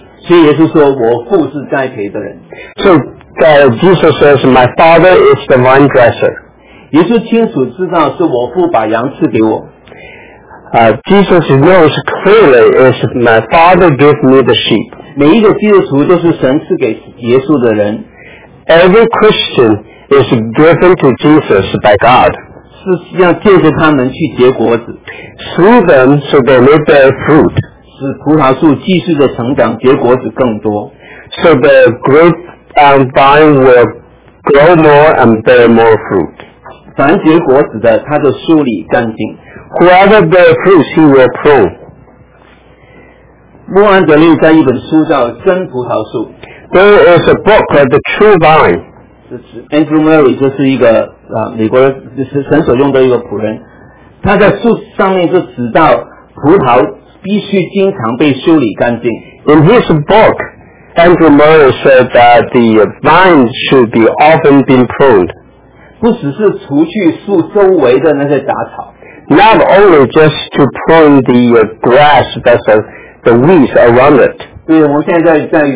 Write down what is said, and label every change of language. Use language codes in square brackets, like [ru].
[zh] 所以耶稣说，我父是栽培的人。 [en] So Jesus says, My Father is the vine dresser. [zh] 耶稣清楚知道是我父把羊赐给我。 [en] Jesus knows clearly is My Father gave me the sheep. [zh] 每一个基督徒都是神赐给耶稣的人。 [en] Every Christian is driven to Jesus by God. [zh] 是要借着他们去结果子。 [en] Through them, so they may bear fruit. [zh] 使葡萄树继续的成长，结果子更多。 [en] So the grape and vine will grow more and bear more fruit. [zh] 凡结果子的，他的树里干净。 [en] Whoever bears fruit, he will prune. [zh] 穆安德利在一本书叫《真葡萄树》。 [en] There is a book called The True Vine. [zh] 这是Andrew Murray，这是一个美国神所用的一个仆人。他在树上面就指到葡萄。 [en] In his book, Andrew Murray said that the vine should be often being pruned. [zh] 不只是除去树周围的那些杂草, [en] not only just to prune the grass, that's the weeds around it.